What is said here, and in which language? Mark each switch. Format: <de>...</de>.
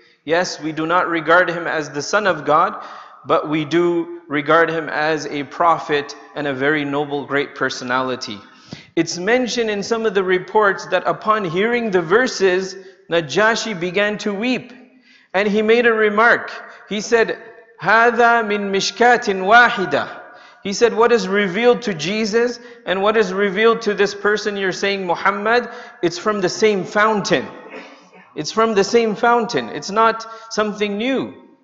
<en>Yes, we do not regard him as the Son of God, but we do regard him as a prophet and a very noble, great personality. It's mentioned in some of the reports that upon hearing the verses, Najashi began to weep. And he made a remark. He said,</en> <ar>هَذَا مِن مِشْكَاتٍ وَاحِدَةٍ.</ar> <en>He said, what is revealed to Jesus and what is revealed to this person you're saying, Muhammad, it's from the same fountain. It's from the same fountain. It's not something new.</en>